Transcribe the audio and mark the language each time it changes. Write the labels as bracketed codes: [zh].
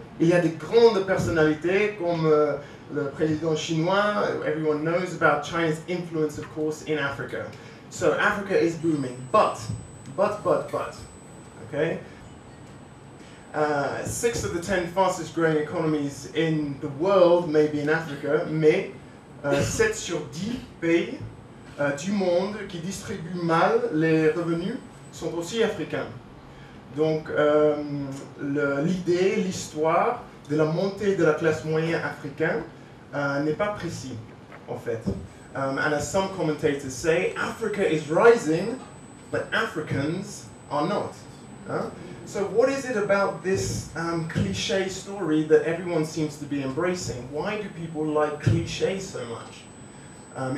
[fr] Il y a des grandes personnalités comme le président chinois. [en] Everyone knows about China's influence, of course, in Africa. So Africa is booming, but, okay. 6 of the 10 fastest growing economies in the world may be in Africa, [fr] mais 7 sur 10 pays du monde qui distribuent mal les revenus sont aussi africains. Donc l'idée, l'histoire de la montée de la classe moyenne africaine n'est pas précise, en fait. [en] And as some commentators say, Africa is rising, but Africans are not. So what is it about this cliché story that everyone seems to be embracing? Why do people like cliché so much?